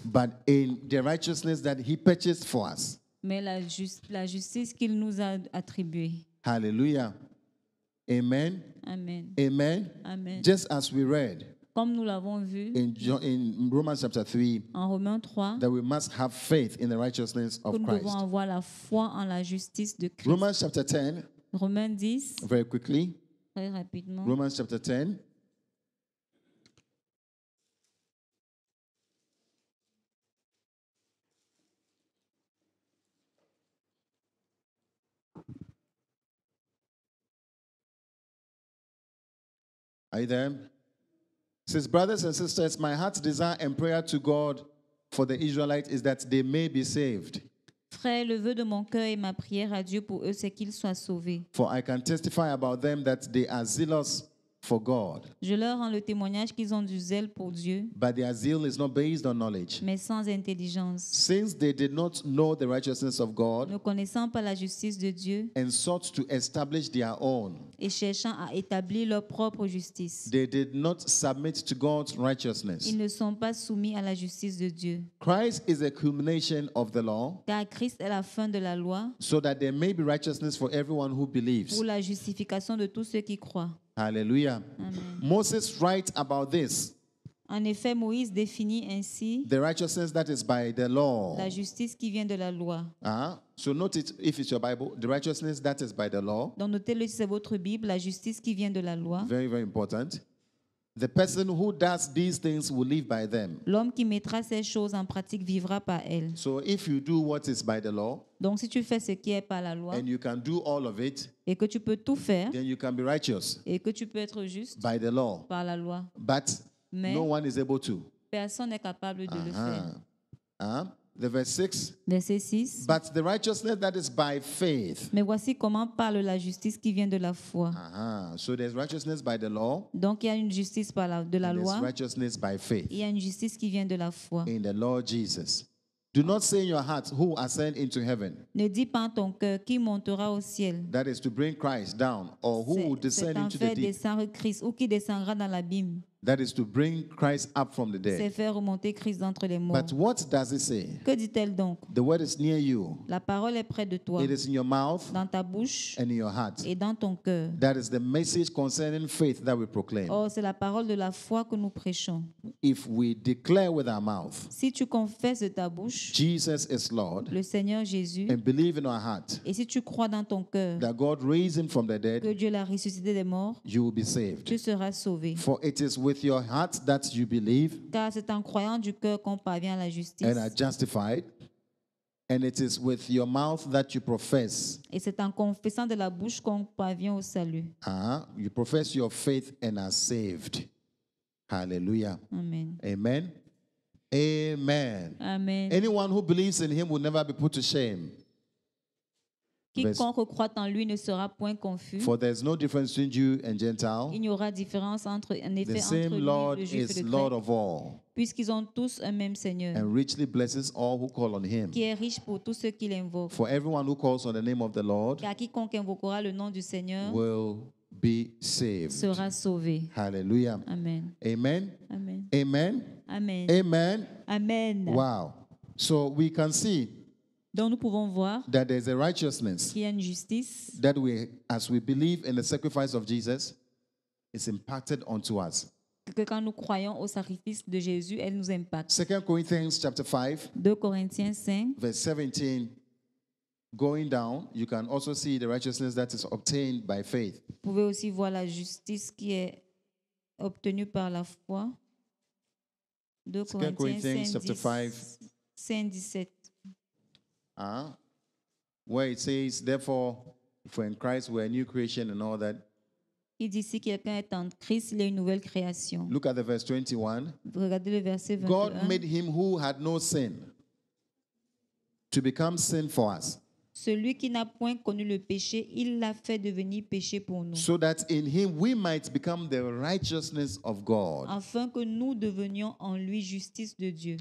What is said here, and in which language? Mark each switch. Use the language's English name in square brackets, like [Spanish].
[English] But in the righteousness that he purchased for us. [French] Mais la justice qu'il nous a attribuée. [English] Hallelujah. Amen. Amen. Amen. Amen. Just as we read. [French] Comme nous l'avons vu. [English] In Romans chapter 3. [French] En Romains 3. [English] That we must have faith in the righteousness of Christ. [French] Que nous devons avoir la foi en la justice de Christ. [English] Romans chapter 10. [French] Romains 10. [English] Very quickly. [French] Très rapidement. [English] Romans chapter 10. Are you there? Since brothers and sisters, my heart's desire and prayer to God for the Israelites is that they may be saved. [French] Frère, le vœu de mon cœur et ma prière à Dieu pour eux, c'est qu'ils soient sauvés. [English] For I can testify about them that they are zealous for God. [French] Je leur rends le témoignage qu'ils ont du zèle pour Dieu. [English] But their zeal is not based on knowledge. [French] Mais sans intelligence. [English] Since they did not know the righteousness of God. [French] Ne connaissant pas la justice de Dieu. [English] And sought to establish their own. [French] Et cherchant à établir leur propre justice. [English] They did not submit to God's righteousness. [French] Ils ne sont pas soumis à la justice de Dieu. [English] Christ is the culmination of the law. [French] Car Christ est la fin de la loi. [English] So that there may be righteousness for everyone who believes. [French] Pour la justification de tous ceux qui croient. [English] Hallelujah. Amen. Moses writes about this. [French] En effet, Moïse définit ainsi [English] the righteousness that is by the law. [French] La justice qui vient de la loi. Uh-huh. [English] So note it if it's your Bible, the righteousness that is by the law. [French] Donc notez-le si c'est votre Bible, la justice qui vient de la loi. [English] Very, very important. The person who does these things will live by them. [French] L'homme qui mettra ces choses en pratique vivra par elles. [English] So if you do what is by the law, [French] donc si tu fais ce qui est par la loi, [English] and you can do all of it, [French] et que tu peux tout faire, [English] then you can be righteous, [French] et que tu peux être juste, [English] by the law, [French] par la loi. [English] But [French] mais [English] no one is able to. [French] Personne n'est capable de le faire. [English] The verse 6. [French] Verset 6. [English] But the righteousness that is by faith. [French] Mais voici comment parle la justice qui vient de la foi. [English] So there's righteousness by the law. [French] Donc il y a une justice par la, de la loi. [English] There's righteousness by faith. [French] Il y a une justice qui vient de la foi. [English] In the Lord Jesus. Do not say in your heart who ascend into heaven. [French] Ne dis pas ton cœur qui montera au ciel. [English] That is to bring Christ down or who will descend into the deep. [French] C'est faire descendre Christ ou qui descendra dans l'abîme. [English] That is to bring Christ up from the dead. [French] C'est faire remonter Christ d'entre les morts. [English] But what does it say? [French] Que dit-elle donc? [English] The word is near you. [French] La parole est près de toi. [English] It is in your mouth. [French] Dans ta bouche. [English] And in your heart. [French] Et dans ton cœur. [English] That is the message concerning faith that we proclaim. [French] Oh, c'est la parole de la foi que nous prêchons. [English] If we declare with our mouth. [French] Si tu confesses de ta bouche. [English] Jesus is Lord. [French] Le Seigneur Jésus. [English] And believe in our heart. [French] Et si tu crois dans ton cœur. [English] That God raised him from the dead. [French] Que Dieu l'a ressuscité des morts. [English] You will be saved. [French] Tu seras sauvé. [English] For it is with your heart that you believe, [French] car c'est en croyant du cœur qu'on parvient à la justice, [English] and are justified, and it is with your mouth that you profess, [French] et c'est en confessant de la bouche qu'on parvient au salut. [English] You profess your faith and are saved. Hallelujah. Amen. Amen. Amen. Amen. Anyone who believes in him will never be put to shame. [French] Quiconque croit en lui ne sera point confus. [English] For there is no difference between Jew and Gentile. [French] Il n'y aura différence entre en effet [English] the same [French] entre [English] Lord [French] lui, le Juif et le Grec. [English] Lord of all. [French] Puisqu'ils ont tous un même Seigneur. [English] And richly blesses all who call on him. [French] Qui est riche pour tous ceux qui l'invoquent. [English] For everyone who calls on the name of the Lord. [French] Car quiconque invoquera le nom du Seigneur [English] will be saved. [French] Sera sauvé. [English] Hallelujah. Amen. Amen. Amen. Amen. Amen. Amen. Wow. So we can see. [French] Donc nous pouvons voir [English] that there is a righteousness [French] qu'il y a une justice [English] that we, as we believe in the sacrifice of Jesus, is imparted unto us. [French] Que quand nous croyons au sacrifice de Jésus, elle nous impacte. [English] 2 Corinthians chapter 5, [French] 2 Corinthiens 5, [English] verse 17, going down, you can also see the righteousness that is obtained by faith. [French] Vous pouvez aussi voir la justice qui est obtenue par la foi. 2 Corinthiens 5, 17. [English] Where it says, therefore, if we're in Christ, we're a new creation and all that. [French] Il dit, si quelqu'un est en Christ, il est une nouvelle création. [English] Look at the verse 21. [French] Regardez le verset 21. [English] God made him who had no sin to become sin for us. [French] Celui qui n'a point connu le péché, il l'a fait devenir péché pour nous. [English] So that in him we might become the righteousness of God. [French] Afin que nous devenions en lui justice de Dieu.